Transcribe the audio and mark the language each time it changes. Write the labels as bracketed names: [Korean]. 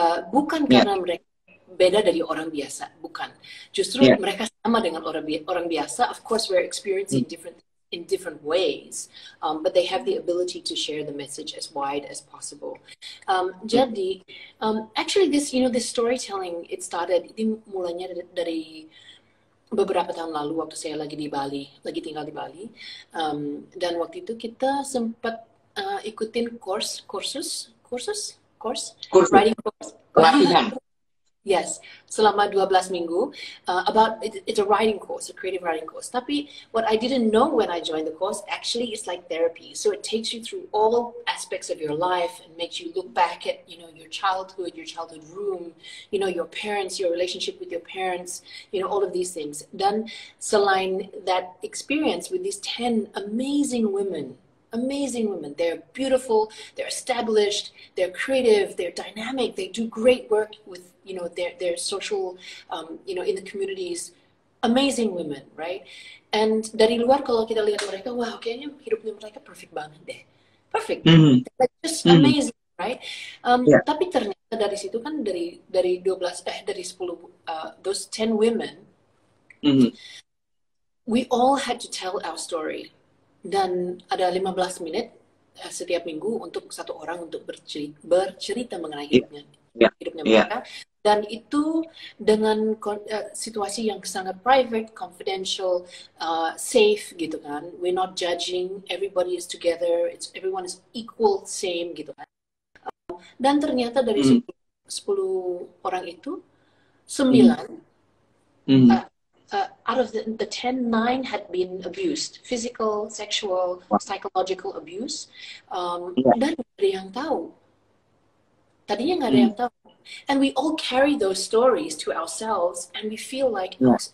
[Indonesian] Bukan karena mereka beda dari orang biasa, bukan. Justru mereka sama dengan orang biasa. [English] Of course, we're experiencing different ways, but they have the ability to share the message as wide as possible. Jadi, actually, this storytelling it started. [Indonesian] Ini mulanya dari beberapa tahun lalu waktu saya lagi tinggal di Bali, dan waktu itu kita sempat ikutin course [English] writing course pelatihan. Yes, [Indonesian] selama 12 minggu, [English] it's a writing course, a creative writing course. Tapi what I didn't know when I joined the course, actually it's like therapy. So it takes you through all aspects of your life and makes you look back at, you know, your childhood room, you know, your parents, your relationship with your parents, you know, all of these things. Dan selain that experience with these 10 amazing women, they're beautiful, they're established, they're creative, they're dynamic, they do great work with, you know, their social, you know, in the communities, amazing women, right? And [Indonesian] dari luar kalau kita lihat mereka, wow, kayaknya hidupnya mereka perfect banget deh. [English] perfect. Mm-hmm. Like just amazing, mm-hmm. right? Yeah. [Indonesian] Tapi ternyata dari situ kan dari 12 dari 10 [English] those 10 women, mm-hmm. we all had to tell our story. [Indonesian] Dan ada 15 menit setiap minggu untuk satu orang untuk bercerita mengenai hidupnya, yeah. hidupnya mereka. Yeah. Dan itu dengan situasi yang sangat private, confidential, safe gitu kan. [English] We're not judging. Everybody is together. It's everyone is equal, same gitu kan. [Indonesian] Dan ternyata dari 10 orang itu, [English] 9 out of the 10, [Indonesian] 9 had been abused. [English] Physical, sexual, psychological abuse. [Indonesian] Dan gak ada yang tahu. Tadinya gak ada yang tahu. [English] And we all carry those stories to ourselves, and we feel like yeah.